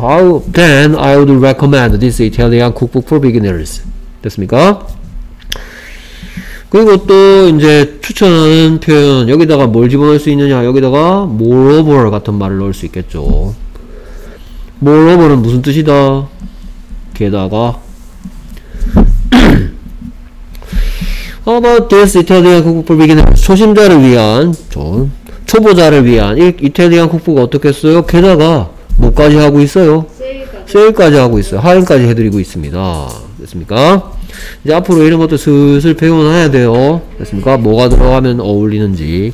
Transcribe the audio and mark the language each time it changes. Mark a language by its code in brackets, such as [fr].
[en] How then I would recommend this Italian cookbook for beginners? [ko] 됐습니까? 그리고 또 이제 추천하는 표현 여기다가 뭘 집어넣을 수 있느냐, 여기다가 moreover 같은 말을 넣을 수 있겠죠. moreover는 무슨 뜻이다? 게다가 [en] How about this Italian cookbook for beginners? [ko] 초심자를 위한, 초보자를 위한 이탈리안 쿡북을 어떻게 했어요? 게다가 뭐까지 하고 있어요? 세일까지 하고 있어요. 할인까지 해드리고 있습니다. 됐습니까? 이제 앞으로 이런 것도 슬슬 배워놔야 돼요. 됐습니까? 뭐가 들어가면 어울리는지.